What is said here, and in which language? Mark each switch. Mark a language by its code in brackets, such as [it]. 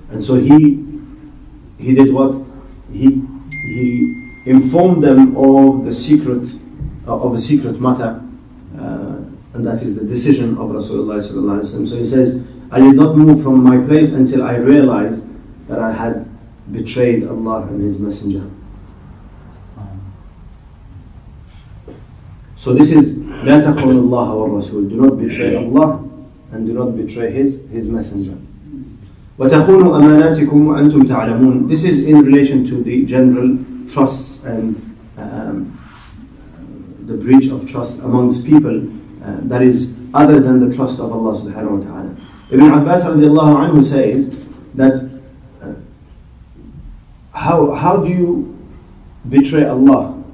[en] And so he did what? He informed them of the secret, of a secret matter, and that is the decision of Rasulullah sallallahu alaihi wasallam. So he says, I did not move from my place until I realized that I had betrayed Allah and His Messenger. So this is [ar] لا تخون الله والرسول. [en] Do not betray Allah and do not betray His Messenger. [ar] وتخون أماناتكم وأنتم تعلمون. [en] This is in relation to the general trust and the breach of trust amongst people that is other than the trust of Allah subhanahu wa ta'ala. Ibn Abbas radiallahu anhu says that how do you betray Allah?